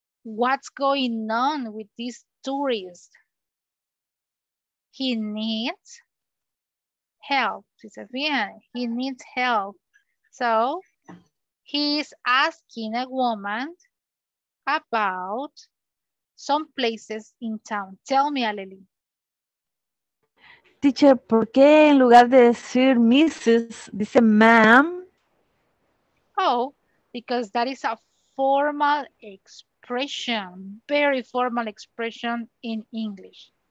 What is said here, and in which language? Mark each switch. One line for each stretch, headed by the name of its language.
English: What's going on with this tourist? He needs help. He needs help. So, he's asking a woman about some places in town. Tell me, Aleli.
Spanish: Teacher, ¿por qué en lugar de decir Mrs., dice ma'am?
English: Oh, because that is a formal expression, very formal expression in English.